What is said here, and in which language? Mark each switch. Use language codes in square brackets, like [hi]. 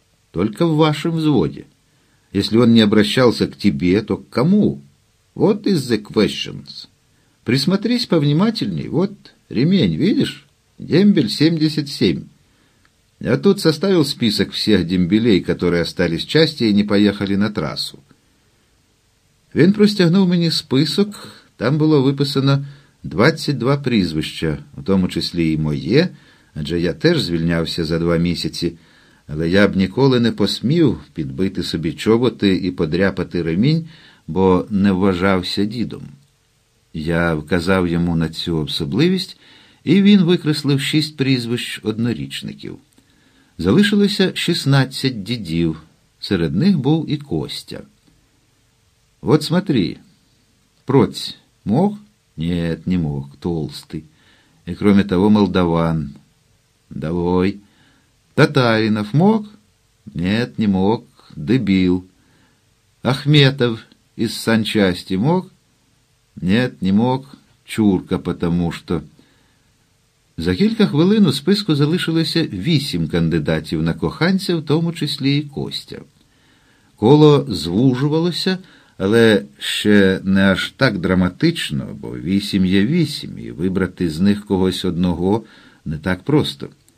[ru] Только в вашем взводе. Если он не обращался к тебе, то к кому? [en] What is the questions? [ru] Присмотрись повнимательней. Вот ремень, видишь? Дембель 77. Я тут составил список всех дембелей, которые остались в части и не поехали на трассу». [uk] Він простягнув мені список, там було виписано 22 прізвища, в тому числі і моє, адже я теж звільнявся за 2 місяці, але я б ніколи не посмів підбити собі чоботи і подряпати ремінь, бо не вважався дідом. Я вказав йому на цю особливість, і він викреслив 6 прізвищ однорічників. Залишилося 16 дідів, серед них був і Костя. [ru] «Вот смотри, проць мог?» «Нет, не мог, толстый. И кроме того, молдаван». «Давай». «Татаринов мог?» «Нет, не мог, дебил». «Ахметов из санчасти мог?» «Нет, не мог, чурка, потому что». [uk] За кілька хвилин у списку залишилося 8 кандидатів на коханця, в тому числі і Костя. Коло звужувалося, але ще не аж так драматично, бо 8 є 8, і вибрати з них когось одного не так просто.